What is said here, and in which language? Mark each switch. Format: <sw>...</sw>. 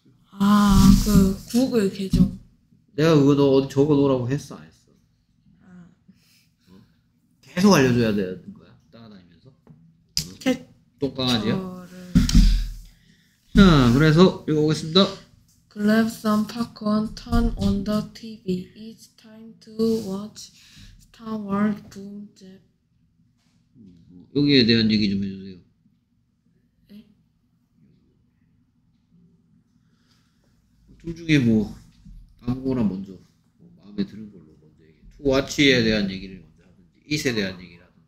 <ko>아, 그 구글 계정. 내가 그거 너 어디 적어놓으라고 했어, 안 했어? 계속 알려줘야 되는 거야, 따라다니면서? 똥강아지야? 자, 그래서 읽어보겠습니다.</ko> <en>Grab some popcorn, turn on the TV. It's time to watch Star Wars Boom Jap.</en> <ko>여기에 대한 얘기 좀 해주세요. 네? 둘 중에 뭐 아무거나 먼저 뭐 마음에 드는 걸로 먼저 얘기. To Watch에 대한 얘기를 먼저 하든지, It에 대한 얘기를 하든지.</ko>